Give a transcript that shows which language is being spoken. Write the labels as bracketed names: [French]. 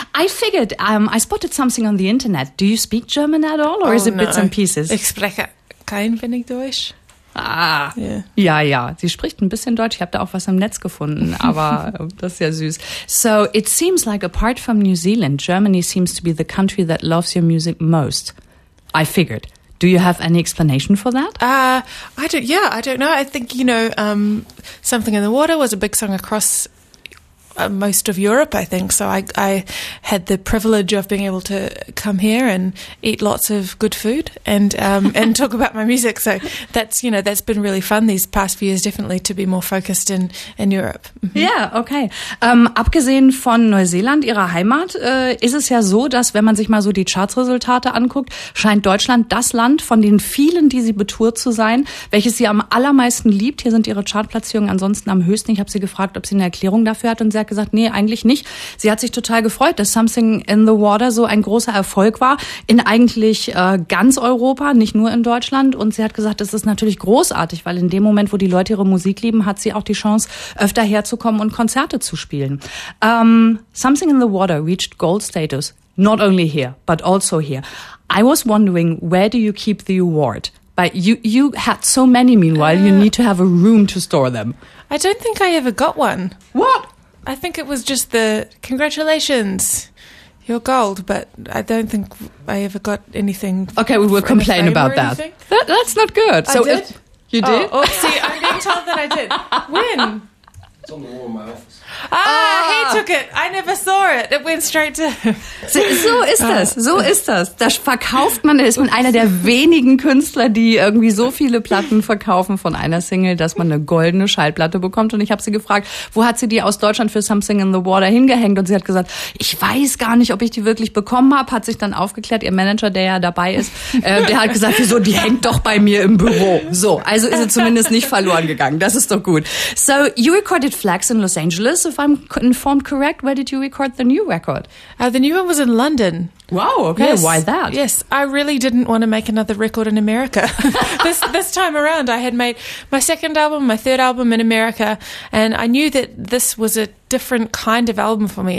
[English] I figured, I spotted something on the internet. Do you speak German at all, or is it bits and pieces? [German] Ich spreche kein wenig Deutsch. Ja. Sie spricht ein bisschen Deutsch. Ich habe da auch was im Netz gefunden, aber das ist ja süß. [English] So, it seems like apart from New Zealand, Germany seems to be the country that loves your music most. I figured. Do you have any explanation for that? I don't know. I think, you know, Something in the Water was a big song across most of Europe, I think. So I had the privilege of being able to come here and eat lots of good food and talk about my music. So that's been really fun these past few years, definitely, to be more focused in Europe. Mm-hmm. Yeah, okay. [German] Abgesehen von Neuseeland, Ihrer Heimat, ist es ja so, dass wenn man sich mal so die Chartsresultate anguckt, scheint Deutschland das Land von den vielen, die Sie betourt zu sein, welches Sie am allermeisten liebt. Hier sind Ihre Chartplatzierungen ansonsten am höchsten. Ich habe Sie gefragt, ob Sie eine Erklärung dafür hat, und Sie hat gesagt, nee, eigentlich nicht. Sie hat sich total gefreut, dass Something in the Water so ein großer Erfolg war in eigentlich ganz Europa, nicht nur in Deutschland. Und sie hat gesagt, das ist natürlich großartig, weil in dem Moment, wo die Leute ihre Musik lieben, hat sie auch die Chance, öfter herzukommen und Konzerte zu spielen. [English] Something in the Water reached Gold Status, not only here, but also here. I was wondering, where do you keep the award? But you had so many meanwhile, you need to have a room to store them. I don't think I ever got one. What? I think it was just the congratulations, you're gold, but I don't think I ever got anything. Okay, we will complain about that. That's not good. So I did. If you did? Oh, see, I'm being told that I did. When? It's on the wall in my office. He took it. I never saw it. It went straight to him. [German] So ist das. So ist das. Da verkauft man, ist man einer der wenigen Künstler, die irgendwie so viele Platten verkaufen von einer Single, dass man eine goldene Schallplatte bekommt. Und ich habe sie gefragt, wo hat sie die aus Deutschland für Something in the Water hingehängt? Und sie hat gesagt, ich weiß gar nicht, ob ich die wirklich bekommen habe. Hat sich dann aufgeklärt, ihr Manager, der ja dabei ist, der hat gesagt, wieso, die hängt doch bei mir im Büro. So, also ist sie zumindest nicht verloren gegangen. Das ist doch gut. [English] So, you recorded Flags in Los Angeles. If I'm informed correct, where did you record the new record? The new one was in London. Wow, okay, yes. Why that? Yes, I really didn't want to make another record in America. this time around, I had made my second album, my third album in America, and I knew that this was a different kind of album for me.